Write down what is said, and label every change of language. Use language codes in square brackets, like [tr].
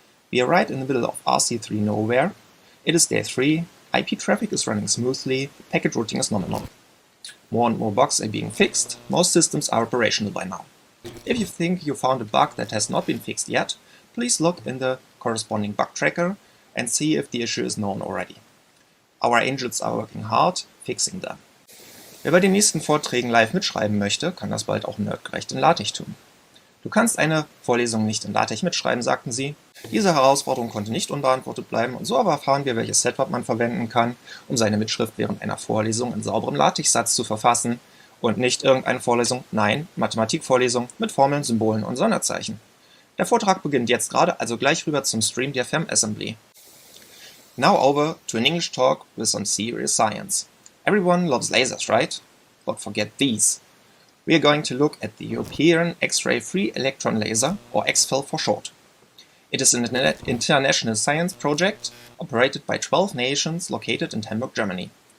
[en] We are right in the middle of RC3 nowhere. It is day 3, IP traffic is running smoothly, packet routing is nominal. More and more bugs are being fixed, most systems are operational by now. If you think you found a bug that has not been fixed yet, please look in the corresponding bug tracker and see if the issue is known already. Our angels are working hard, fixing them. [de] Wer bei den nächsten Vorträgen live mitschreiben möchte, kann das bald auch nerdgerecht in LaTeX tun. Du kannst eine Vorlesung nicht in LaTeX mitschreiben, sagten sie. Diese Herausforderung konnte nicht unbeantwortet bleiben und so aber erfahren wir, welches Setup man verwenden kann, um seine Mitschrift während einer Vorlesung in sauberem LaTeX-Satz zu verfassen und nicht irgendeine Vorlesung, nein, Mathematikvorlesung mit Formeln, Symbolen und Sonderzeichen. Der Vortrag beginnt jetzt gerade, also gleich rüber zum Stream der FemAssembly. [en] Now over to an English talk with some serious science. Everyone loves lasers, right? But forget these. We are going to look at the European X-ray Free Electron Laser, or EXFEL for short. It is an international science project operated by 12 nations located in Hamburg, Germany.